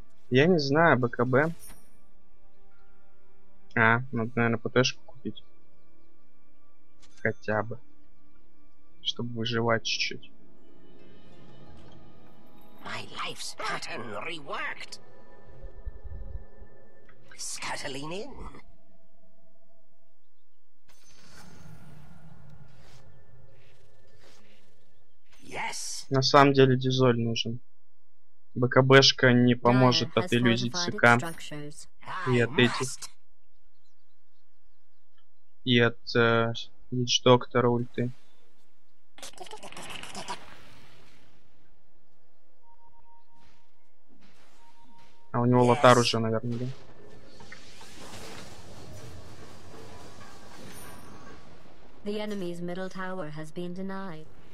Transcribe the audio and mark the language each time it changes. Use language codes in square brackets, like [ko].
[ru] Я не знаю, БКБ. А, надо, наверное, ПТ-шку купить. Хотя бы. Чтобы выживать чуть-чуть. [en] My life's pattern reworked. Scuttling in. Yes. [ru] На самом деле дизоль нужен. БКБшка не поможет от иллюзий ЦК. И от этих. И от Лич Доктора ульты. А у него лотар уже, наверное, да? [en] The enemy's middle tower has been denied.